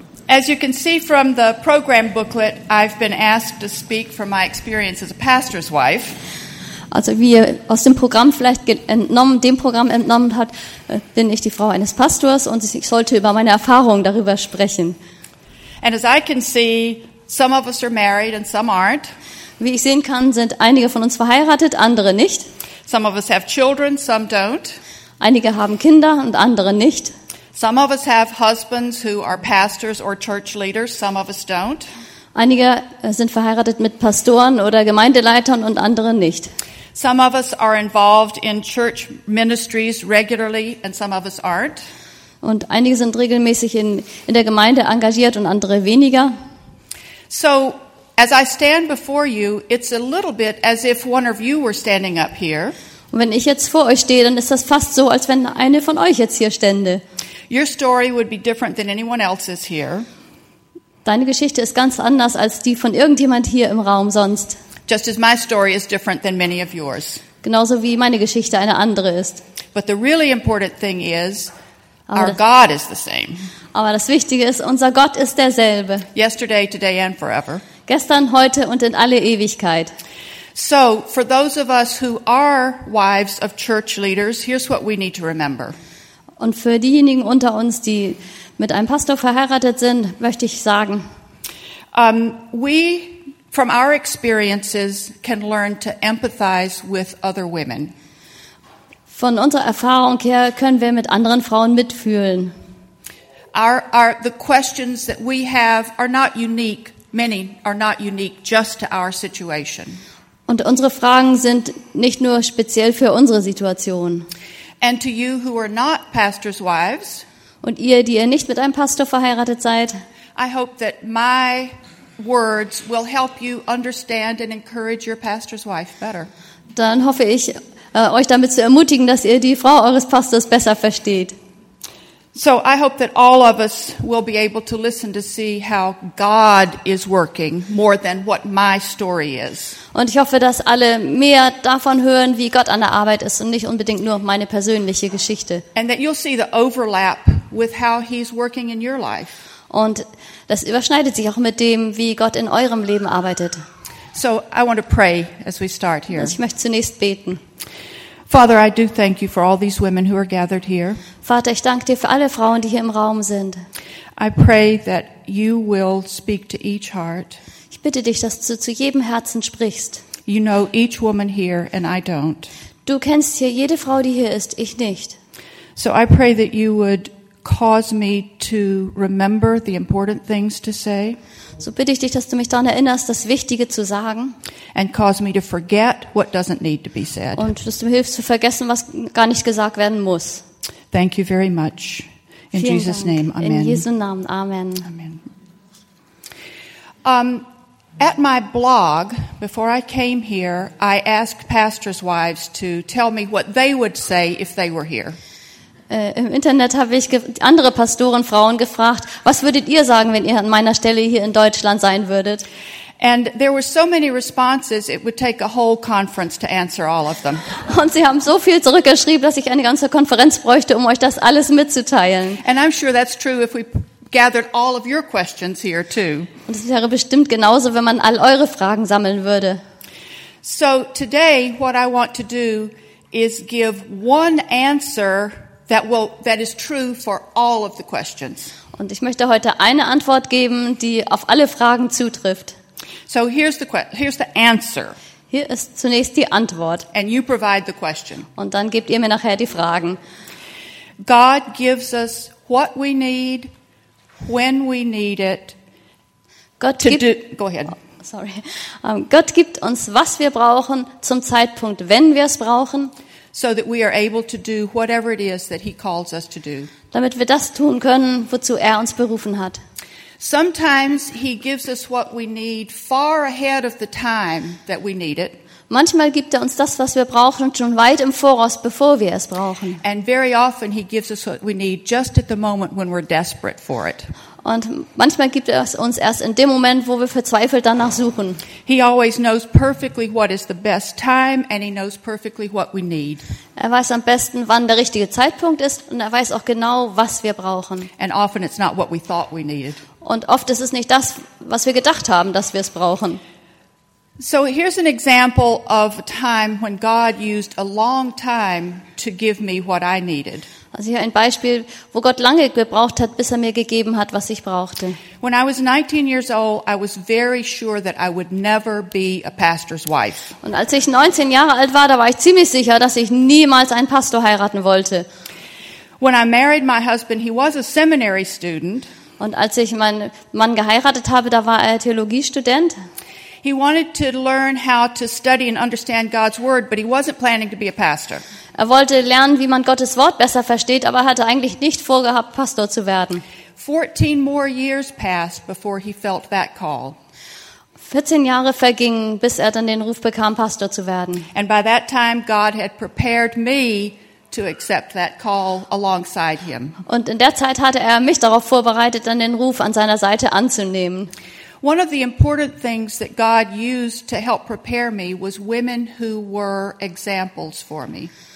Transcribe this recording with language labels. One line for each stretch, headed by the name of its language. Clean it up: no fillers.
English: As you can see from the program booklet, I've been asked to speak from my experience as a pastor's wife.
German: Also, wie ihr aus dem Programm vielleicht entnommen hat, bin ich die Frau eines Pastors und ich sollte über meine Erfahrungen darüber sprechen.
English: And as I can see, some of us are married and some aren't.
German: Wie ich sehen kann, sind einige von uns verheiratet, andere nicht.
English: Some of us have children, some don't.
German: Einige haben Kinder und andere nicht.
English: Some of us have husbands who are pastors or church leaders, some of us don't.
German: Einige sind verheiratet mit Pastoren oder Gemeindeleitern und andere nicht.
English: Some of us are involved in church ministries regularly and some of us aren't.
German: Und einige sind regelmäßig in der Gemeinde engagiert und andere weniger.
English: So, as I stand before you, it's a little bit as if one of you were standing up here.
German: Und wenn ich jetzt vor euch stehe, dann ist das fast so, als wenn eine von euch jetzt hier stände.
English: Your story would be different than anyone else's here.
German: Deine Geschichte ist ganz anders als die von irgendjemand hier im Raum sonst.
English: Just as my story is different than many of yours.
German: Genauso wie meine Geschichte eine andere ist.
English: But the really important thing is, our God is the same.
German: Aber das Wichtige ist, unser Gott ist derselbe.
English: Yesterday, today and forever.
German: Gestern, heute und in alle Ewigkeit.
English: So, for those of us who are wives of church leaders, here's what we need to remember.
German: Und für diejenigen unter uns, die mit einem Pastor verheiratet sind, möchte ich sagen,
English: we from our experiences can learn to empathize with other women.
German: Von unserer Erfahrung her können wir mit anderen Frauen mitfühlen.
English: Our the questions that we have are not unique. Many are not unique just to our situation.
German: Und unsere Fragen sind nicht nur speziell für unsere Situation.
English: And to you who are not pastors' wives,
German: und ihr, die ihr nicht mit einem Pastor verheiratet seid,
English: I hope that my words will help you understand and encourage your pastor's wife better.
German: Dann hoffe ich, euch damit zu ermutigen, dass ihr die Frau eures Pastors besser versteht.
English: So I hope that all of us will be able to listen to see how God is working more than what my story is.
German: Und ich hoffe, dass alle mehr davon hören, wie Gott an der Arbeit ist und nicht unbedingt nur meine persönliche Geschichte.
English: And that you'll see the overlap with how he's working in your life.
German: Und das überschneidet sich auch mit dem, wie Gott in eurem Leben arbeitet.
English: So I want to pray as we start here.
German: Ich möchte zunächst beten.
English: Father, I do thank you for all these women who are gathered here.
German: Vater, ich danke dir für alle Frauen, die hier im Raum sind.
English: I pray that you will speak to each heart.
German: Ich bitte dich, dass du zu jedem Herzen sprichst.
English: You know each woman here and I don't.
German: Du kennst hier jede Frau, die hier ist, ich nicht.
English: So I pray that you would cause me to remember the important things to say.
German: So bitte ich dich, dass du mich daran erinnerst, das Wichtige zu sagen.
English: And cause me to forget what doesn't need to be said.
German: Und dass du mir hilfst zu vergessen, was gar nicht gesagt werden muss.
English: Thank you very much. In Jesus' name, amen.
German: In Jesu Namen, amen. Amen.
English: At my blog, before I came here, I asked pastors' wives to tell me what they would say if they were here.
German: Im Internet habe ich andere Pastorenfrauen gefragt, was würdet ihr sagen, wenn ihr an meiner Stelle hier in Deutschland sein würdet?
English: And there were so many responses, it would take a whole conference to answer all of them.
German: Und sie haben so viel zurückgeschrieben, dass ich eine ganze Konferenz bräuchte, um euch das alles mitzuteilen.
English: And I'm sure that's true if we gathered all of your questions here too.
German: Und es wäre bestimmt genauso, wenn man all eure Fragen sammeln würde.
English: So today what I want to do is give one answer that is true for all of the questions.
German: Und ich möchte heute eine Antwort geben, die auf alle Fragen zutrifft.
English: So here's the answer.
German: Hier ist zunächst die Antwort.
English: And you provide the question.
German: Und dann gebt ihr mir nachher die Fragen.
English: God gives us what we need when we need it.
German: Gott gibt uns, was wir brauchen, zum Zeitpunkt, wenn wir es brauchen.
English: so that we are able to do whatever it is that he calls us to do.
German: Damit wir das tun können, wozu uns berufen hat.
English: Sometimes he gives us what we need far ahead of the time that we need it.
German: Manchmal gibt uns das, was wir brauchen, schon weit im Voraus, bevor wir es brauchen.
English: And very often he gives us what we need just at the moment when we're desperate for it.
German: Und manchmal gibt uns erst in dem Moment, wo wir verzweifelt danach suchen.
English: He always knows perfectly what is the best time and he knows perfectly what we need.
German: Er weiß am besten, wann der richtige Zeitpunkt ist und er weiß auch genau, was wir brauchen.
English: And often it's not what we thought we needed.
German: Und oft ist es nicht das, was wir gedacht haben, dass wir es brauchen.
English: So here's an example of a time when God used a long time to give me what I needed.
German: Also hier ein Beispiel, wo Gott lange gebraucht hat, bis mir gegeben hat, was ich brauchte.
English: When I was 19 years old, I was very sure that I would never be a pastor's wife.
German: Und als ich 19 Jahre alt war, da war ich ziemlich sicher, dass ich niemals einen Pastor heiraten wollte.
English: When I married my husband, he was a seminary student.
German: Und als ich meinen Mann geheiratet habe, da war Theologiestudent.
English: He wanted to learn how to study and understand God's word, but he wasn't planning to be a pastor.
German: Er wollte lernen, wie man Gottes Wort besser versteht, aber hatte eigentlich nicht vorgehabt, Pastor zu werden.
English: 14 more years passed before he felt that call.
German: 14 Jahre vergingen, bis dann den Ruf bekam, Pastor zu werden.
English: And by that time God had prepared me to accept that call alongside him.
German: Und in der Zeit hatte mich darauf vorbereitet, dann den Ruf an seiner Seite anzunehmen.
English: One of the important things that God used to help prepare me was women who were examples for me.